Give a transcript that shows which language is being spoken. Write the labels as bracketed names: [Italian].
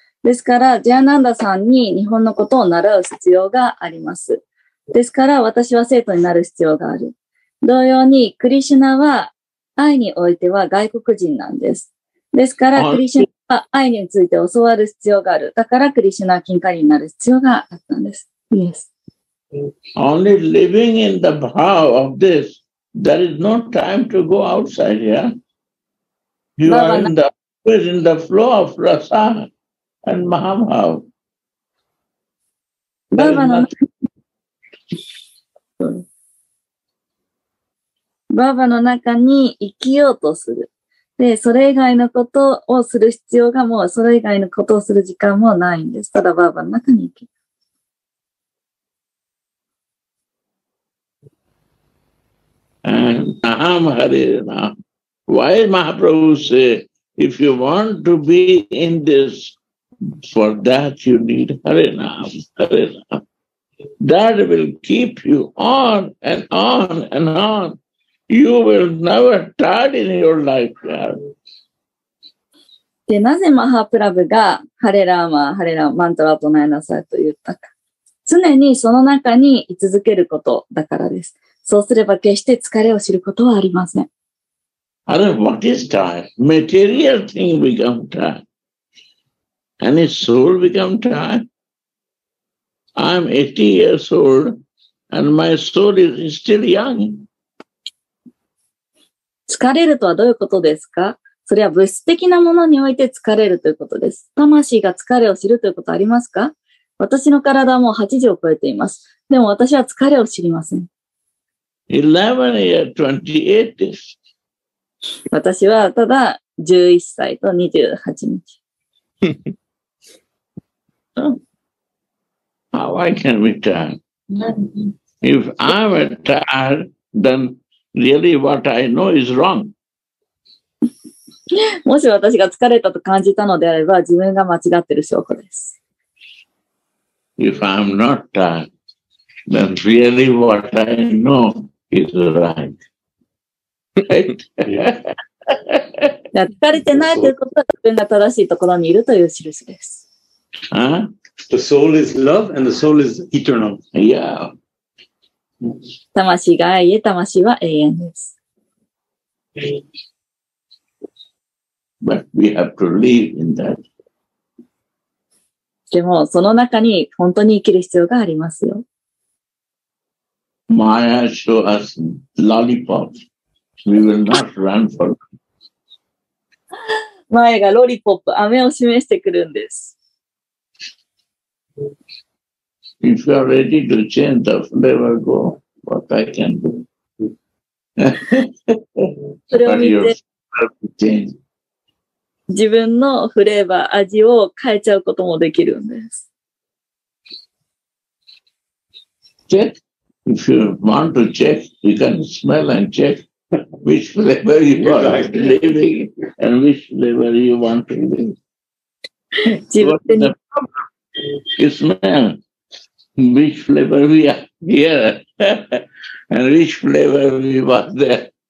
[Japanese] ですから、ジャーナンダさんに日本のことを習う必要があります。ですから、私は生徒になる必要がある。同様に、クリシュナは愛においては外国人なんです。ですから、クリシュナは愛について教わる必要がある。だから、クリシュナはキンカリになる必要があったんです。 [English] Yes. Only living in the bhav of this, there is no time to go outside, yeah? You are in the flow of rasa and mahabhav. [Japanese] バーバの中に生きようとする。で、それ以外のことをする必要がもう、それ以外のことをする時間もないんです。ただバーバの中に生きる。 Aham Hare Na. [English] Why Mahaprabhu say, if you want to be in this, for that you need Hare Na, Hare Na. That will keep you on and on and on. You will never tire in your life, yeah. [Japanese] で、なぜマハプラブがハレラーマ、ハレラーマントラを唱えなさいと言ったか。常にその中に居続けることだからです。そうすれば決して疲れを知ることはありません。 [English] あれ、what is tired? Material thing become tired. And his soul become tired. I'm 80 years old and my soul is still young. [Japanese] 疲れるとはどういうことですか？それは物質的なものにおいて疲れるということです。魂が疲れを知るということありますか？私の体はもう80を超えています。でも私は疲れを知りません。 [English] 11 year 28 days. [Japanese] 私はただ11歳と28日。 [English] How I can be tired? If I'm tired, thenReally, what I know is wrong. [Japanese] もし私が疲れたと感じたのであれば、自分が間違ってる証拠です。 [English] If I'm not tired, then really what I know is right. Right? [Japanese] 疲れてないということは、自分が正しいところにいるという印です。 [English] The soul is love and the soul is eternal. Yeah. [Japanese] 魂が愛へ、魂は永遠です。 [English] But we have to live in that. [Japanese] でも、その中に本当に生きる必要がありますよ。 [English] Maya show us lollipops. We will not run for them. [Japanese] Maya がロリポップ、飴を示してくるんです。 [English] If you are ready to change the flavor, go. what I can do. But yourself will change. [Japanese] 自分のフレーバー、味を変えちゃうこともできるんです。 [English] Check. If you want to check, you can smell and check which flavor you are living and which flavor you want to live. [Japanese] 自分で。 [English] What's the problem? You smell which flavor we are here and which flavor we want there.